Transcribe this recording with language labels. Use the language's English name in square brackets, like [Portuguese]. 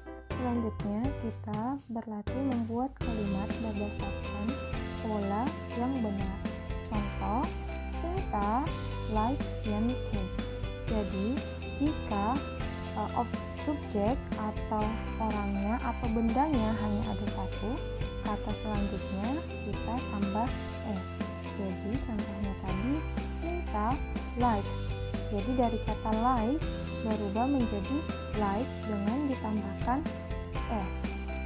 [Indonesian] Selanjutnya kita berlatih membuat kalimat berdasarkan pola yang benar. Contoh, [English] Cinta likes yummy cake. [Indonesian] Jadi jika subjek atau orangnya atau bendanya hanya ada satu, kata selanjutnya kita tambah s. Jadi contohnya tadi [English] Cinta likes. [Indonesian] Jadi dari kata like berubah menjadi likes dengan ditambahkan s.